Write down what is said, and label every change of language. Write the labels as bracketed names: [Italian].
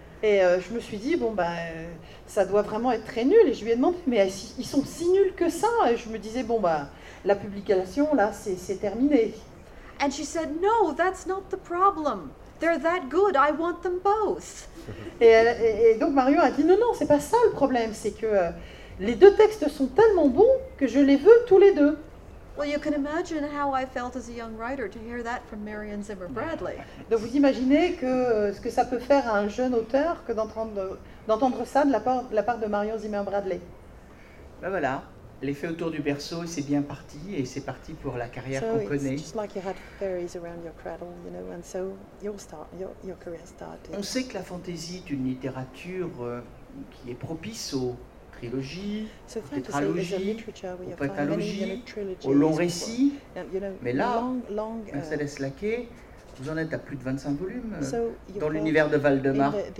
[French] Et je me suis dit, bon, ça doit vraiment être très nul. Et je lui ai demandé, mais ils sont si nuls que ça? Et je me disais, bon, la publication, là, c'est terminé. [English] And she said, no, that's not the problem. They're that good, I want them both. [French] Et donc Marion a dit, non, c'est pas ça le problème. C'est que les deux textes sont tellement bons que je les veux tous les deux. [English] Well, you can imagine how I felt as a young writer to hear that from Marion Zimmer Bradley. [French] Donc vous imaginez ce que ça peut faire à un jeune auteur que d'entendre ça de la part de Marion Zimmer Bradley. Ben voilà, l'effet autour du berceau, c'est bien parti et c'est parti pour la carrière qu'on connaît. [English] So it's just like you had fairies around your cradle, you know, and so your career started. [French] On sait que la fantasy est une littérature qui est propice aux trilogie, tétralogie, pentalogie, au long récit. Mais là, Mercedes Laquet, vous en êtes à plus de 25 volumes dans l'univers de Valdemar.